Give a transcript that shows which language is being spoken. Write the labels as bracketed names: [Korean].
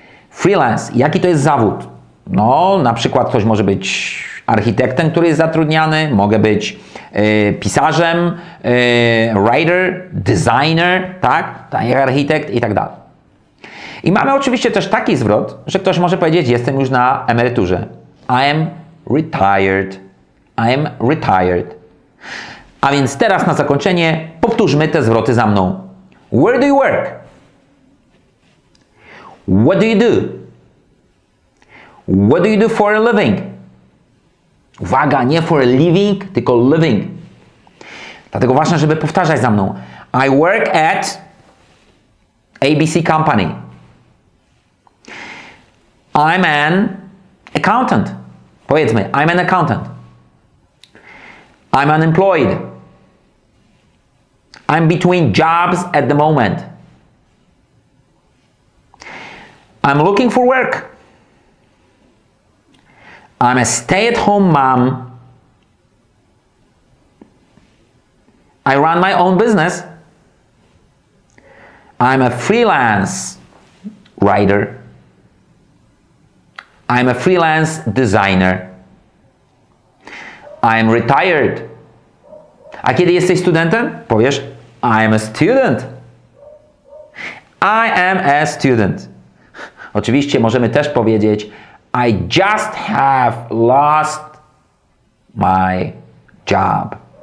[Polish] Freelance, jaki to jest zawód? No, na przykład ktoś może być architektem, który jest zatrudniany, mogę być pisarzem, writer, designer, tak? Architekt i tak dalej. I mamy oczywiście też taki zwrot, że ktoś może powiedzieć, jestem już na emeryturze. [English] I am retired. I am retired. [Polish] A więc teraz na zakończenie powtórzmy te zwroty za mną. [English] Where do you work? What do you do? What do you do for a living? [Polish] Uwaga, nie [English] for a living, [Polish] tylko living. Dlatego ważne, żeby powtarzać za mną. [English] I work at ABC company. I'm an accountant. Powiedzmy, I'm an accountant. I'm unemployed. I'm between jobs at the moment. I'm looking for work. I'm a stay-at-home mom. I run my own business. I'm a freelance writer. I'm a freelance designer. I'm retired. [Polish] A kiedy jesteś studentem? Powiesz, [English] I am a student. I am a student. [Polish] Oczywiście możemy też powiedzieć, [English] I just have lost my job.